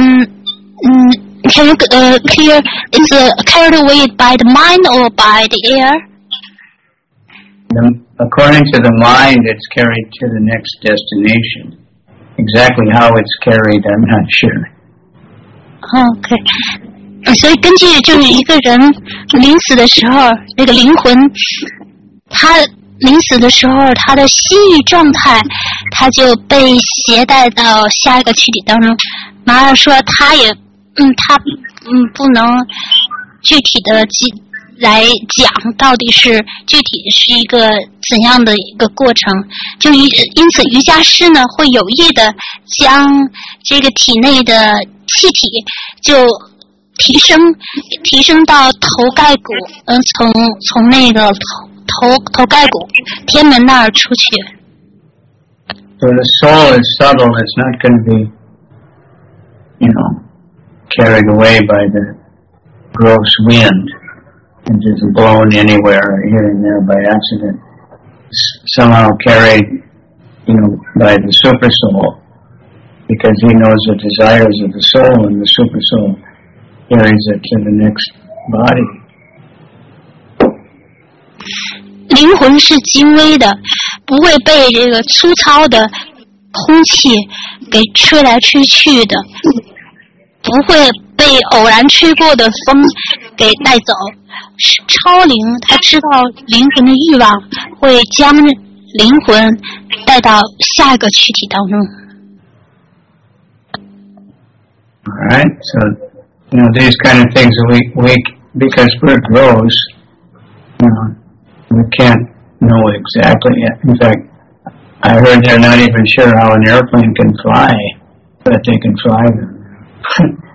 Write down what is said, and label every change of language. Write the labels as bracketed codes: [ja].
[en] Is it carried away by the mind or by the air? According to the mind, it's carried to the next destination. Exactly how it's carried, I'm not sure. Okay. [zh] 所以根据就是一个人临死的时候，那个灵魂，他临死的时候，他的心意状态，他就被携带到下一个躯体当中。马尔说他也，他不能具体的来讲到底是具体是一个怎样的一个过程。就因此瑜伽师呢会有意的将这个体内的气体就提升到头盖骨，从那个头盖骨天门那儿出去。 [en] So the soul is subtle, it's not going to be, carried away by the gross wind and just blown anywhere here and there by accident. Somehow carried, by the super soul, because he knows the desires of the soul and the super soul. carries it to the next body. [zh] 灵魂是精微的，不会被这个粗糙的空气给吹来吹去的，不会被偶然吹过的风给带走。超灵，他知道灵魂的欲望会将灵魂带到下一个躯体当中。 [en] All right, so. These kind of things, we because we're gross, we can't know exactly. In fact, I heard they're not even sure how an airplane can fly, but they can fly them.